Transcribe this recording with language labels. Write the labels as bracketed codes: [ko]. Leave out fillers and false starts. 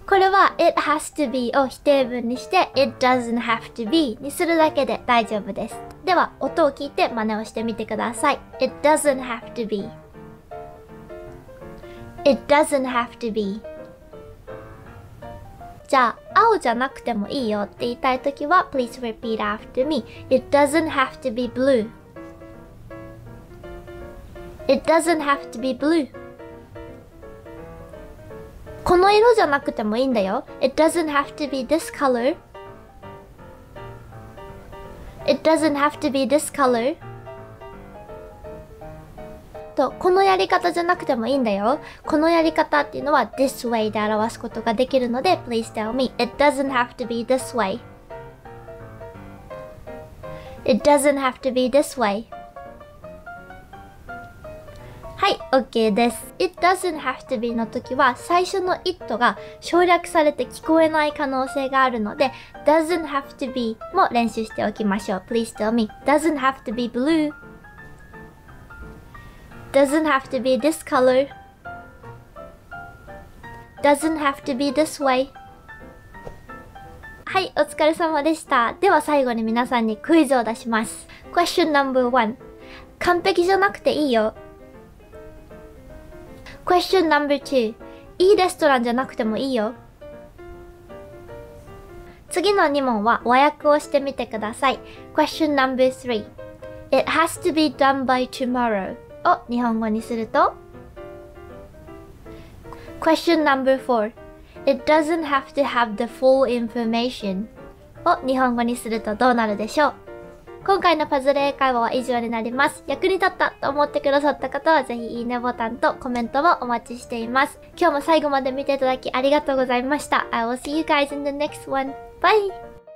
[ja] これは [en] It has to be [ja] を否定文にして [en] It doesn't have to be [ja] にするだけで大丈夫です。では音を聞いて真似をしてみてください。 [en] It doesn't have to be。 It doesn't have to be。 [ja] じゃあ、青じゃなくてもいいよって言いたいときは [en] Please repeat after me. It doesn't have to be blue. It doesn't have to be blue. [ja] この色じゃなくてもいいんだよ。 [en] It doesn't have to be this color. It doesn't have to be this color. [ja] このやり方じゃなくてもいいんだよ。このやり方っていうのは [en] This way [ja] で表すことができるので [en] Please tell me It doesn't have to be this way。 It doesn't have to be this way。 [ja] はい、 OK です。 [en] It doesn't have to be [ja] の時は最初の It が省略されて聞こえない可能性があるので [en] Doesn't have to be [ja] も練習しておきましょう。 [en] Please tell me Doesn't have to be blueDoesn't have to be this color. Doesn't have to be this way. [ja] はい、お疲れ様でした。では最後に皆さんにクイズを出します。 [en] Question number one. [ja] 完璧じゃなくていいよ。 [en] Question number two. [ja] いいレストランじゃなくてもいいよ。次の2問は和訳をしてみてください。 [en] Question number 3. It has to be done by tomorrow [ja] を日本語にすると [en] Question number 4. It doesn't have to have the full information [ja] を日本語にするとどうなるでしょう。今回のパズル英会話は以上になります。役に立ったと思ってくださった方はぜひいいねボタンとコメントもお待ちしています。今日も最後まで見ていただきありがとうございました。 [en] I will see you guys in the next one. Bye!